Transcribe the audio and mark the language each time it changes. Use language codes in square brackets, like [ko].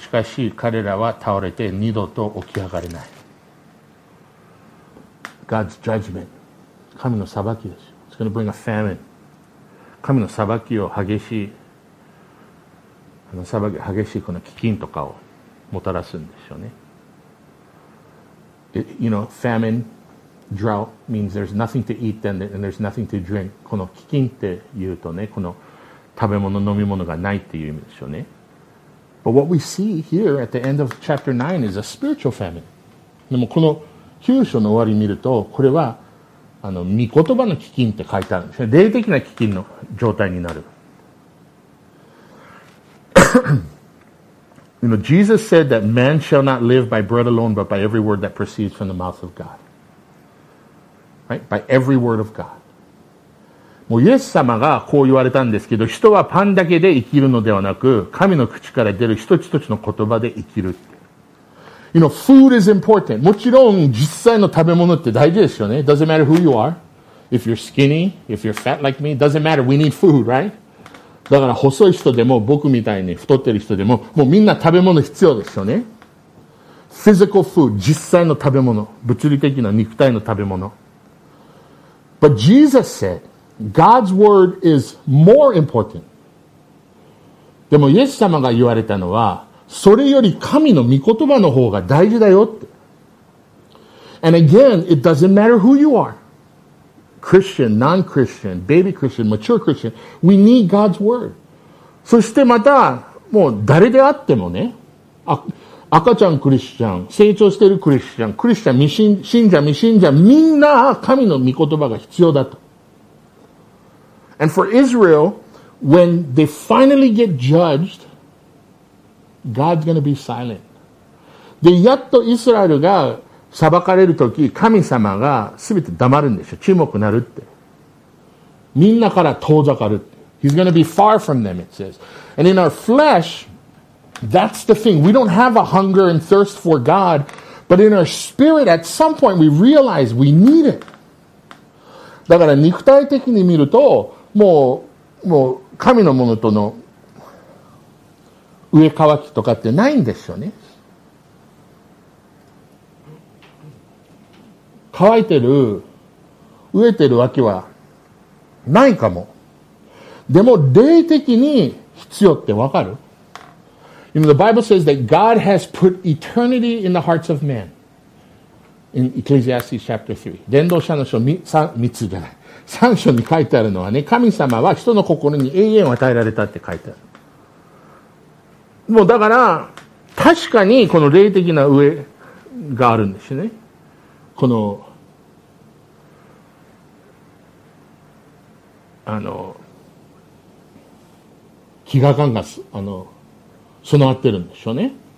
[ja] しかし彼らは倒れて二度と起き上がれない。 [en] God's judgment、 [ja] 神の裁きです。 [en] It's going to bring a famine。 [ja] 神の裁きを、激しいこの飢饉とかをもたらすんですよね。 [en] You know, famine, drought means there's nothing to eat and there's nothing to drink。 [ja] この飢饉っていうとね、この食べ物飲み物がないっていう意味ですよね。 [en] But what we see here at the end of chapter 9 is a spiritual famine。 [ja] でもこの9章の終わり見ると、これは御言葉の飢饉って書いてあるんですね。霊的な飢饉の状態になる。 [en] You know, Jesus said that man shall not live by bread alone, but by every word that proceeds from the mouth of God. Right? By every word of God. [ja] もうイエス様がこう言われたんですけど、人はパンだけで生きるのではなく、神の口から出る一つ一つの言葉で生きるって。 [en] You know, food is important. [ja] もちろん実際の食べ物って大事ですよね。 [en] Doesn't matter who you are. If you're skinny, if you're fat like me, doesn't matter. We need food, right? [ja] だから細い人でも、僕みたいに太ってる人でも、もうみんな食べ物必要ですよね。 [en] Physical food、 [ja] 実際の食べ物、物理的な肉体の食べ物。 [en] But Jesus said God's word is more important。 [ja] でもイエス様が言われたのは、それより神の御言葉の方が大事だよって。 [en] And again, it doesn't matter who you areChristian, non-Christian, baby Christian, mature Christian, we need God's word. [ja] そしてまた、もう誰であってもね、赤ちゃんクリスチャン、成長しているクリスチャン、クリスチャン、未信者、みんな神の御言葉が必要だと。 [en] And for Israel, when they finally get judged, God's going to be silent. [ja] で、やっとイスラエルが裁かれるとき、神様がすべて黙るんでしょ。沈黙なるって。みんなから遠ざかるって。 [en] He's going to be far from them, it says. And in our flesh, that's the thing. We don't have a hunger and thirst for God, but in our spirit, at some point, we realize we need it. [ja] だから肉体的に見ると、もう神のものとの上かわきとかってないんですよね。乾いてる、飢えてるわけはないかも。でも霊的に必要ってわかる？ [en] You know, the Bible says that God has put eternity in the hearts of men. In Ecclesiastes chapter 3. [ja] 伝道者の書 3章に書いてあるのはね、神様は人の心に永遠を与えられたって書いてある。もうだから、確かにこの霊的な飢えがあるんですね。この、飢餓感が備わってるんでしょうね。